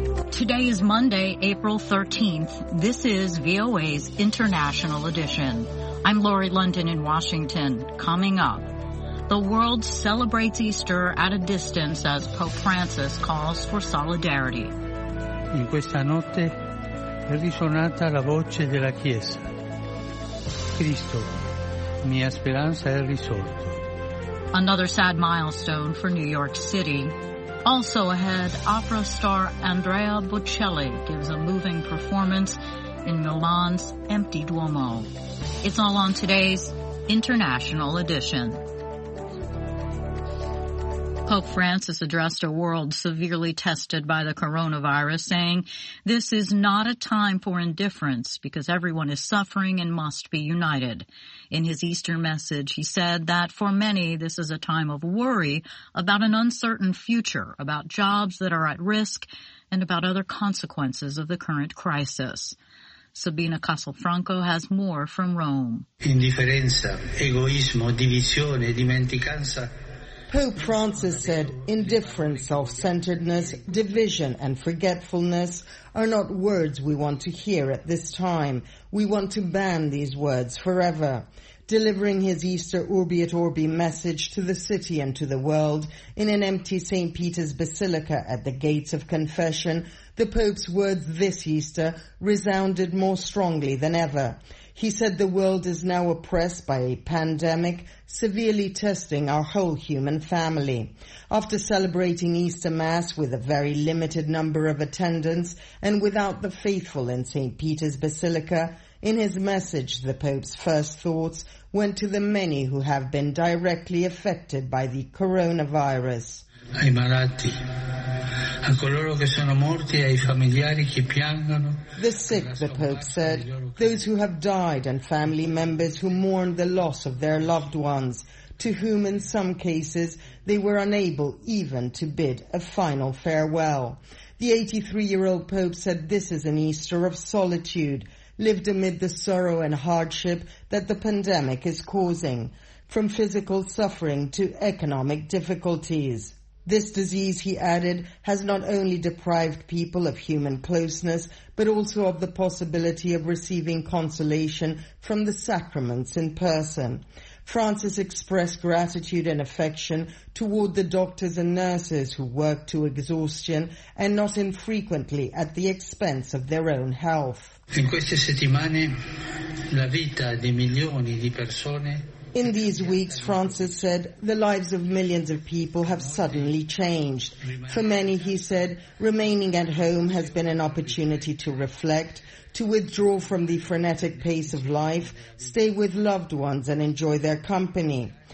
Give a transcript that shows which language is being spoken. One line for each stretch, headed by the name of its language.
English: Today is Monday, April 13th. This is VOA's International Edition. I'm Lori London in Washington. Coming up, the world celebrates Easter at a distance as Pope Francis calls for solidarity.
Italian: In questa notte è risuonata la voce della Chiesa. Cristo, mia speranza è risorto.
English: Another sad milestone for New York City. Also ahead, opera star Andrea Bocelli gives a moving performance in Milan's empty Duomo. It's all on today's International Edition. Pope Francis addressed a world severely tested by the coronavirus, saying, "This is not a time for indifference because everyone is suffering and must be united." In his Easter message, he said that for many, this is a time of worry about an uncertain future, about jobs that are at risk, and about other consequences of the current crisis. Sabina Castelfranco has more from Rome.
Italian: Indifferenza, egoismo, divisione, dimenticanza.
English: Pope Francis said, "Indifference, self-centeredness, division, and forgetfulness are not words we want to hear at this time. We want to ban these words forever." Delivering his Easter Urbi et Orbi message to the city and to the world in an empty St. Peter's Basilica at the Gates of Confession, the Pope's words this Easter resounded more strongly than ever. He said the world is now oppressed by a pandemic, severely testing our whole human family. After celebrating Easter Mass with a very limited number of attendants and without the faithful in St. Peter's Basilica, in his message, the Pope's first thoughts went to the many who have been directly affected by the coronavirus.
Italian: Ai malati, a coloro che sono morti, ai familiari che piangono.
English: The sick, the Pope said, those who have died and family members who mourn the loss of their loved ones, to whom in some cases they were unable even to bid a final farewell. The 83-year-old Pope said this is an Easter of solitude, lived amid the sorrow and hardship that the pandemic is causing, from physical suffering to economic difficulties. This disease, he added, has not only deprived people of human closeness, but also of the possibility of receiving consolation from the sacraments in person. Francis expressed gratitude and affection toward the doctors and nurses who work to exhaustion and not infrequently at the expense of their own health.
Italian: In queste settimane, la vita di milioni di persone.
English: In these weeks, Francis said, the lives of millions of people have suddenly changed. For many, he said, remaining at home has been an opportunity to reflect, to withdraw from the frenetic pace of life, stay with loved ones and enjoy their company.